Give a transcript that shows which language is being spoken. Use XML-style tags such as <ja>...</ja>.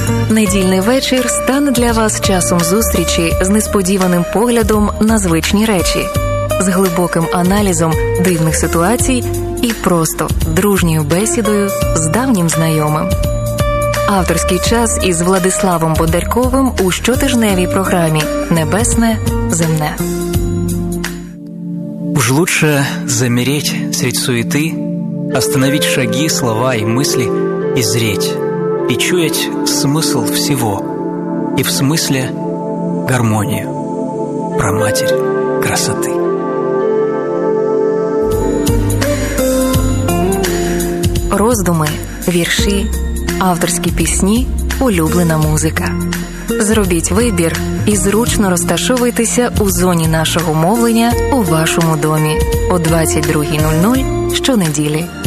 <uk>недільний вечір стане для вас часом зустрічі з несподіваним поглядом на звичні речі, з глибоким аналізом дивних ситуацій і просто дружньою бесідою з давнім знайомим. Авторський час із Владиславом Бондарковим у щотижневій програмі «Небесне, земне».</uk> <ru>Уж лучше замереть средь суеты, остановить шаги, слова и мысли, и зреть, и чуять смысл всего, и в смысле гармонию, праматерь красоты.</ru> <uk>Роздуми, вірші, авторські пісні, улюблена музика. Зробіть вибір і зручно розташовуйтеся у зоні нашого мовлення у вашому домі о 22:00 щонеділі.</uk>